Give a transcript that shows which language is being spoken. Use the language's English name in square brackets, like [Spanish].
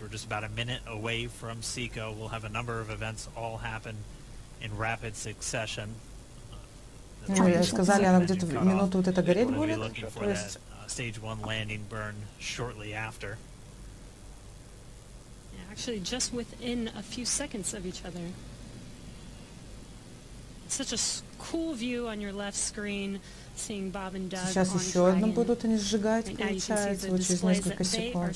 [English] We're just about a minute away from SECO. We'll have a number of events all happen in rapid succession. [Russian] Ну, я сказали, она где-то минуту вот это гореть будет. [English] Stage 1 landing burn shortly after. Actually, just within a few seconds of each other. Such a cool view on your left screen, seeing Bob and Doug. [Russian] Сейчас [English] on [Russian] еще одну будут они сжигать, получается, вот через несколько секунд.